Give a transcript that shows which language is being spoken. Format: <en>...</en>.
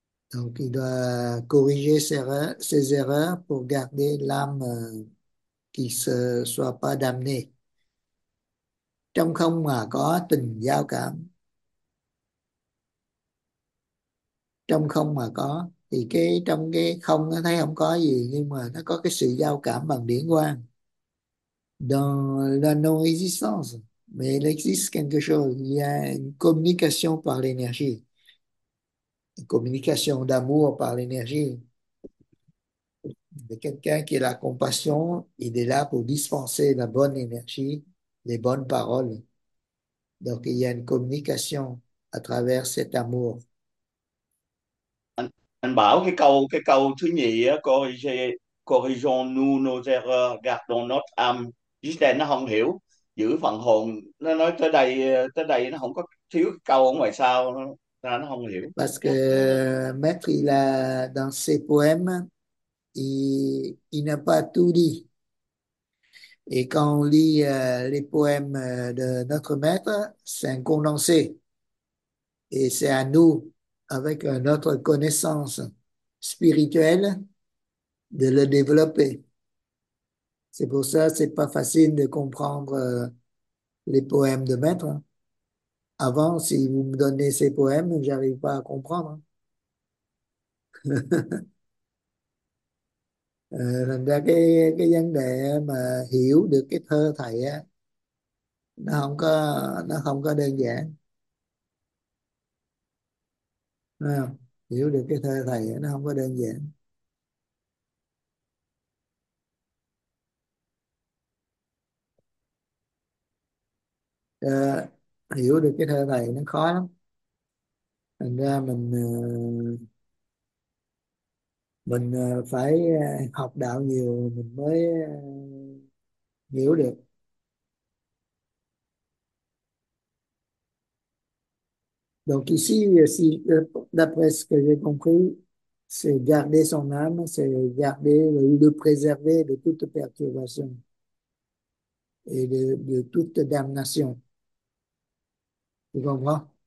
<fr>Donc il doit corriger ses erreurs pour garder l'âme qui se soit pas damnée.</fr> <vi>Trong không mà có tình giao cảm. Trong không mà có, thì cái trong cái không nó thấy không có gì, nhưng mà nó có cái sự giao cảm bằng điển quang.</vi> <fr>Dans la non-existence, mais il existe quelque chose, il y a une communication par l'énergie, une communication d'amour par l'énergie. Quelqu'un qui a la compassion, il est là pour dispenser la bonne énergie, les bonnes paroles. Donc il y a une communication à travers cet amour.</fr> <vi>Anh bảo cái câu thứ nhì á,</vi> <fr>corrigeons nous nos erreurs, gardons notre âme,</fr> <vi>nó không hiểu giữ phần hồn, nó nói tới đây nó không có thiếu cái câu ở ngoài sau ra nó không hiểu.</vi> <fr>Parce que maître, il a, dans ses poèmes, il n'a pas tout dit. Et quand on lit les poèmes de notre maître, c'est un condensé. Et c'est à nous, avec notre connaissance spirituelle, de le développer. C'est pour ça que c'est pas facile de comprendre les poèmes de maître. Avant, si vous me donnez ces poèmes, j'arrive pas à comprendre.</fr> <vi>Thành ra cái vấn đề mà hiểu được cái thơ thầy á, nó không có đơn giản. À, hiểu được cái thơ thầy á, nó không có đơn giản. À, hiểu được cái thơ thầy nó khó lắm. Thành ra mình phải học đạo nhiều mình mới hiểu được.</vi> <fr>Donc ici, si, d'après ce que j'ai compris, c'est garder son âme, c'est garder, le préserver de toute perturbation et de toute damnation. Tu comprends?</fr>